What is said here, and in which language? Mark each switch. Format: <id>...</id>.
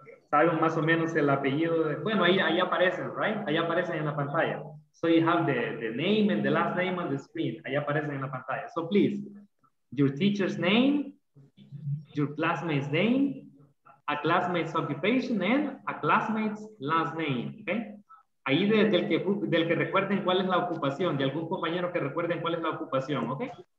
<es>Saben más o menos el apellido de, bueno, ahí aparecen,</es> <en>right?</en> <es>Ahí aparecen en la pantalla.</es> <en>So you have the name and the last name on the screen.</en> <es>Ahí aparecen en la pantalla.</es> <en>So please, your teacher's name, your classmate's name, a classmate's occupation, and a classmate's last name, okay?</en> <es>Ahí del que recuerden cuál es la ocupación, de algún compañero que recuerden cuál es la ocupación,</es> <en>okay?</en>